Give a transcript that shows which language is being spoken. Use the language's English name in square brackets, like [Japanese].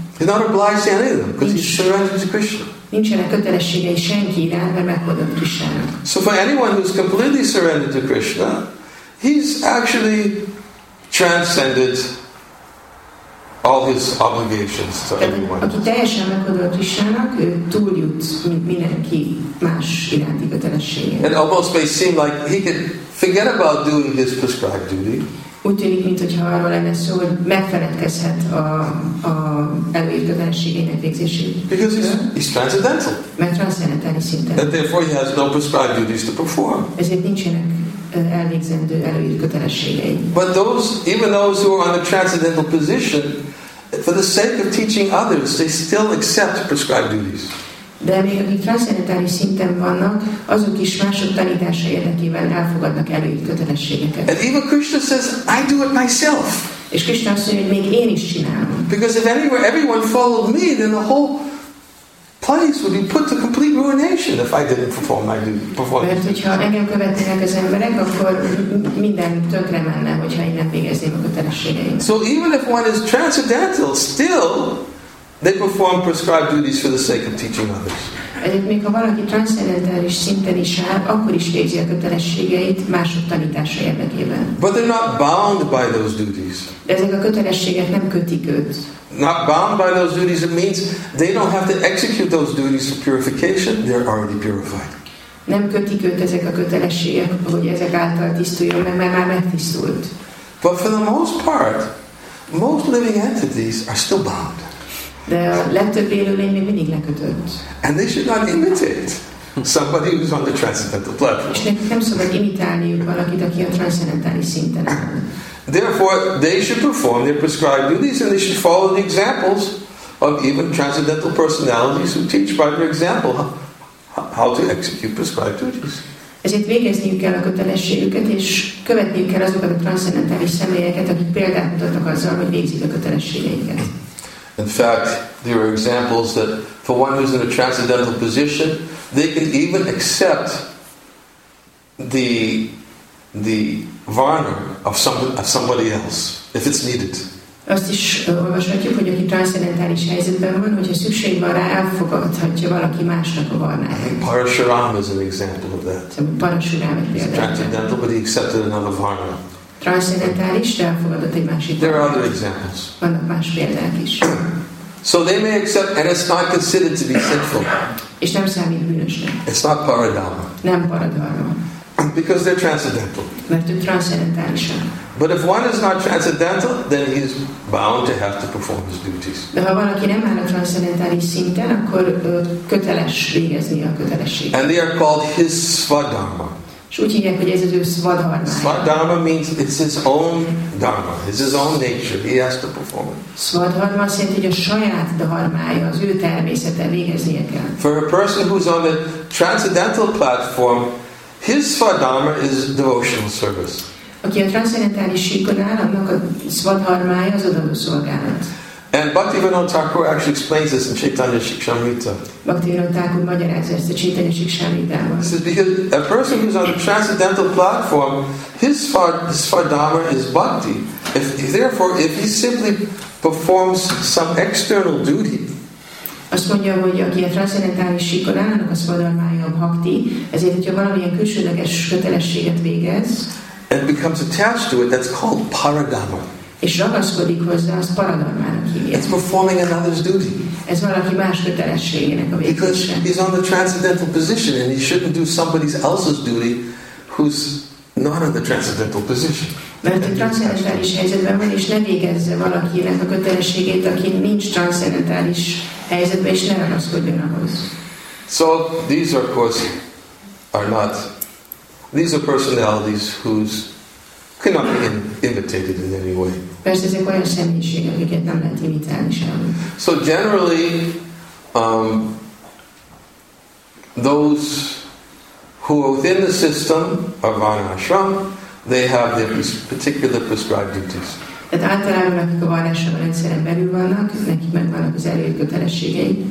[English] He's not obliged to any of them, because he's surrendered to Krishna. [Hungarian] Nincsenek kötelességei senki iránt, mert meghódott Krisnának. [English] So for anyone who's completely surrendered to Krishna, he's actually transcended all his obligations to everyone. [Hungarian] Aki teljesen meghódott Krisnának, ő túljut mindenki más iránti kötelességei. [English] It almost may seem like he could forget about doing his prescribed duty. [Hungarian] Úgy tűnik, mintha arról lenne szó, hogy megfeledkezhet a előírt kötelességének végzéséről. [English] Because he's transcendental. [Hungarian] Mert transzcendentális szinten. [English] And therefore he has no prescribed duties to perform. [Hungarian] Ezért nincsenek elvégzendő előírt kötelességei. [English] But those, even those who are on a transcendental position, for the sake of teaching others, they still accept prescribed duties. [Hungarian] De még akik transzcendentális szinten vannak, azok is mások tanítása érdekében elfogadnak előírt kötelességeket. [English] And even Krishna says, I do it myself. [Hungarian] És Krishna azt mondja, hogy még én is csinálom. [English] Because if anywhere everyone followed me, then the whole place would be put to complete ruination if I didn't perform my duty. [Hungarian] Mert hogyha engem követnének az emberek, akkor minden tönkre menne, hogyha én nem végezném a kötelességeim. [English] So even if one is transcendental, still they perform prescribed duties for the sake of teaching others. [Hungarian] Még ha valaki transzcendentális szinten is áll, akkor is végzi a kötelességeit mások tanítása érdekében. [English] But they're not bound by those duties. [Hungarian] De ezek a kötelességek nem kötik őt. [English] Not bound by those duties, it means they don't have to execute those duties for purification, they're already purified. [Hungarian] Nem kötik őt ezek a kötelességek, hogy ezek által tisztuljon, mert már megtisztult. [English] But for the most part, most living entities are still bound. [Hungarian] De a legtöbb élőlény még mindig lekötött. [English] And they should not imitate somebody who's on the transcendental platform. [Hungarian] És nekik nem szabad imitálniuk valakit, aki a transzcendentális szinten. [English] Therefore, they should perform their prescribed duties and they should follow the examples of even transcendental personalities who teach by their example how to execute prescribed duties. [Hungarian] Ezért végezniük kell a kötelességüket, és követniük kell azokat a transzcendentális személyeket, akik példát mutatnak azzal, hogy végzik a kötelességeiket. [English] In fact, there are examples that for one who's in a transcendental position, they can even accept the varna of somebody else if it's needed. [Hungarian] Azt is olvashatjuk, hogy aki transzcendentális helyzetben van, hogyha szükség van rá, elfogadhatja valaki másnak a varnáját. [English] Parashuram is an example of that. He's transcendental, but he accepted another varna. [Hungarian] Transzcendentális, de elfogadott egy másik. [English] There are other examples. [Hungarian] Vannak más példák is. [English] So they may accept, and it's not considered to be sinful. [Hungarian] És nem számít bűnösnek. [English] It's not paradharma. [Hungarian] Nem paradharma. [English] Because they're transcendental. [Hungarian] Mert ő transzcendentális. [English] But if one is not transcendental, then he is bound to have to perform his duties. [Hungarian] De ha valaki nem áll a transzcendentális szinten, akkor köteles végezni a kötelességet. [English] And they are called his svadharma. [Hungarian] És úgy hívják, hogy ez az ő svadharmája. [English] Svadharma means it's his own dharma, it's his own nature, he has to perform it. [Hungarian] Svadharma azt jelenti, hogy a saját dharmája, az ő természete, végeznie kell. [English] For a person who's on the transcendental platform, his svadharma is devotional service. [Hungarian] Aki a transzcendentális síkon áll, annak a svadharmája az adó szolgálat. [English] And Bhaktivinoda Thakur actually explains this in Chaitanya Shikshamrita. [Hungarian] Bhaktivinoda Thakur magyarázza ezt a Chaitanya Shikshamritában. [English] This is because a person who's on a transcendental platform, his svadharma is bhakti. If he simply performs some external duty, [Hungarian] azt mondja, hogy aki a transzcendentális síkon áll, annak a svadharmája a bhakti. Ezért, hogyha valamilyen külsődleges kötelességet végez, [English] and becomes attached to it, that's called paradharma. [Hungarian] És ragaszkodik hozzá, az paradharmának hívják. [English] It's performing another's duty. [Hungarian] Ez valaki más kötelességének a végzése. [English] Because he's on the transcendental position and he shouldn't do somebody else's duty who's not on the transcendental position. [Hungarian] Mert a transzcendentális helyzetben van, és ne végezze valakinek a kötelességét, aki nincs transzcendentális helyzetben, és ne ragaszkodjon ahhoz. [English] So these are, of course, are not. These are personalities whose cannot be imitated in any way. [Hungarian] Persze, ezek olyan személyiség, akiket nem lehet imitálni sem. [English] So generally, those who are within the system of Varnashram, they have their particular prescribed duties. [Hungarian] Tehát általában, akik a Varnashram rendszeren belül vannak, nekik megvannak az előkötelességei.